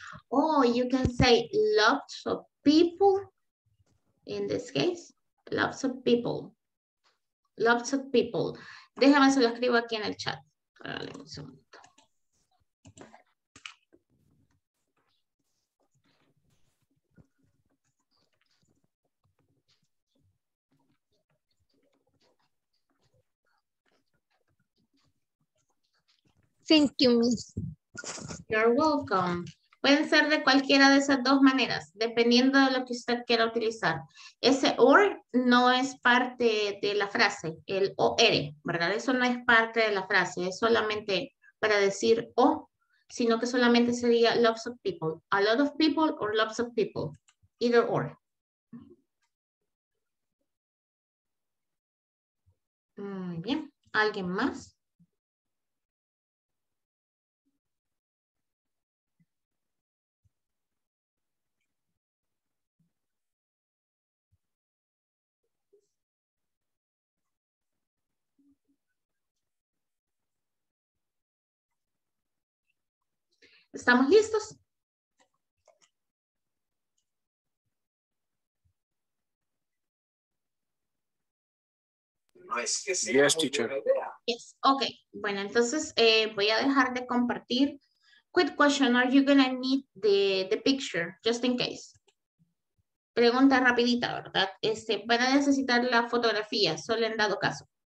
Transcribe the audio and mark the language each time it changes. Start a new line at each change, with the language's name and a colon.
English: Oh, you can say lots of people in this case. Lots of people. Lots of people.
Spanish: Déjame se lo escribo aquí en el chat. Dale un segundo.
English: Thank you, miss. You're welcome.
Spanish: Pueden ser de cualquiera de esas dos maneras, dependiendo de lo que usted quiera utilizar. Ese or no es parte de la frase, el or, ¿verdad? Eso no es parte de la frase, es solamente para decir o, sino que solamente sería
English: lots of people. A lot of people or lots of people. Either or.
Spanish: Muy bien. ¿Alguien más? ¿Estamos listos? No es que sea
English: yes, teacher. Yes. Okay.
Spanish: Bueno, entonces voy a dejar de compartir.
English: Quick question, are you gonna need the picture just in case?
Spanish: Pregunta rapidita, ¿verdad? ¿Van a necesitar la fotografía solo en dado caso?